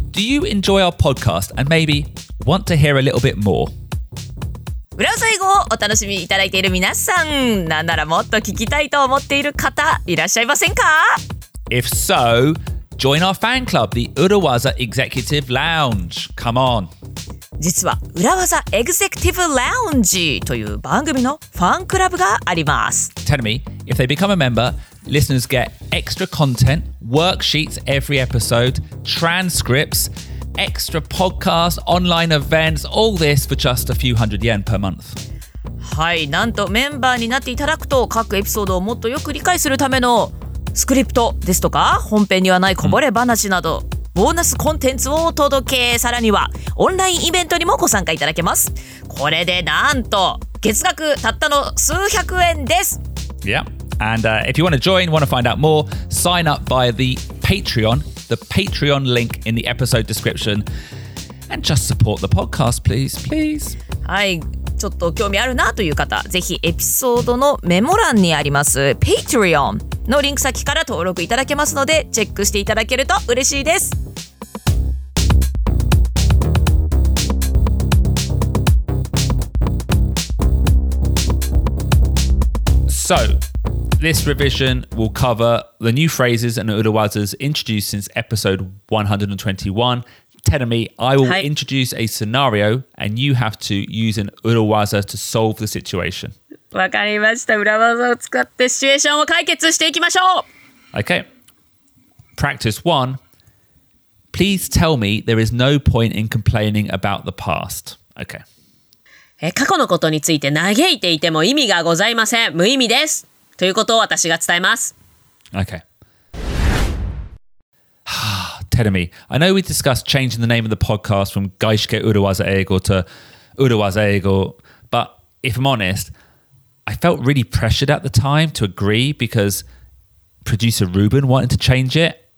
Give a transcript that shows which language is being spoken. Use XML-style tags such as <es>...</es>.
<en>Do you enjoy our podcast and maybe want to hear a little bit more?</en> <ja>裏技英語をお楽しみいただいている皆さん、なんならもっと聞きたいと思っている方いらっしゃいませんか?</ja> <en>If so, join our fan club, the 裏技 Executive Lounge. Come on.</en> <ja>実は裏技エグゼクティブラウンジという番組のファンクラブがあります。</ja> <en>Tell me, if they become a member, listeners get extra content, worksheets every episode, transcripts, extra podcasts, online events, all this for just a few hundred yen per month.</en> <ja>はい、なんとメンバーになっていただくと各エピソードをもっとよく理解するためのスクリプトですとか本編にはないこぼれ話など、mm. ボーナスコンテンツをお届け、さらにはオンラインイベントにもご参加いただけます。これでなんと月額たったの数百円です。</ja> <en>Yeah, and if you want to join, want to find out more, sign up via the Patreon link in the episode description, and just support the podcast, please, please.</en> <ja>はい、ちょっと興味あるなという方、ぜひエピソードのメモ欄にあります Patreon。のリンク先から登録いただけますのでチェックしていただけると嬉しいです。</ja> <en>So, this revision will cover the new phrases and urawazas introduced since episode 121. Teremi, I will、</en> <ja>はい、</ja> <en>introduce a scenario and you have to use an urawaza to solve the situation.</en> <ja>わかりました。裏技を使ってシチュエーションを解決していきましょう。</ja> <en>Okay. Practice one. Please tell me there is no point in complaining about the past. Okay.</en> <ja>過去のことについて嘆いていても意味がございません。無意味です。ということを私が伝えます。</ja> <en>Okay. Teremi, I know we discussed changing the name of the podcast from 外資系裏技英語 to 裏技英語 but if I'm honest,I felt really pressured at the time to agree because producer Ruben wanted to change it.</en>